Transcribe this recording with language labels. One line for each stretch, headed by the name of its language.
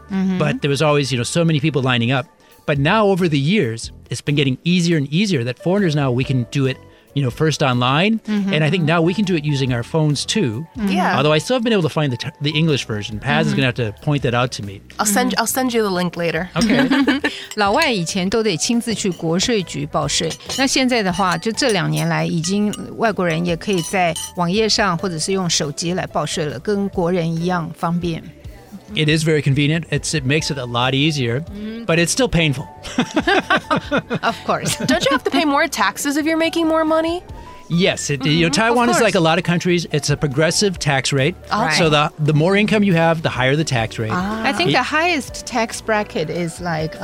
English: Mm-hmm. But there was always, you know, so many people lining up. But now over the years, it's been getting easier and easier that foreigners now, we can do it, you know, first online. Mm-hmm. And I think now we can do it using our phones, too. Yeah. Although I still have been able to find the English version. Paz mm-hmm. is going to have to point that out to me. I'll send you the link later. Okay.
Chinese: 老外以前都得亲自去国税局报税。那现在的话，就这两年来，已经外国人也可以在网页上或者是用手机来报税了，跟国人一样方便。
English: It is very convenient. It makes it a lot easier, but it's still painful. Of course. Don't you have to pay more taxes if you're making more money? Yes. Taiwan is like a lot of countries. It's a progressive tax rate. Right. So the more income you have, the higher the tax rate. Ah. I think the highest tax bracket is like